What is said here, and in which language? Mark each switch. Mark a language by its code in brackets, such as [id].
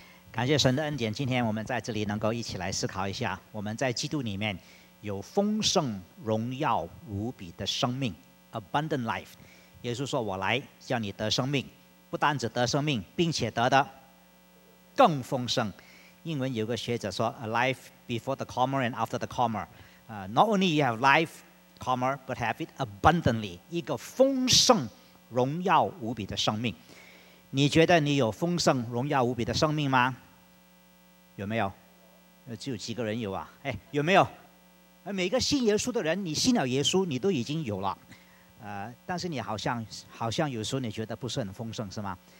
[zh] 感谢神的恩典，今天我们在这里能够一起来思考一下，我们在基督里面有丰盛荣耀无比的生命， abundant life。耶稣说，我来叫你得生命，不单只得生命，并且得的更丰盛。英文有个学者说， [en] a life before the comma and after the commaNot only you have life, comma, but have it abundantly. [zh] 一个丰盛、荣耀无比的生命。你觉得你有丰盛、荣耀无比的生命吗？有没有？只有几个人有啊？哎，有没有？每个信耶稣的人，你信了耶稣，你都已经有了。但是你好像有时候你觉得不是很丰盛，是吗？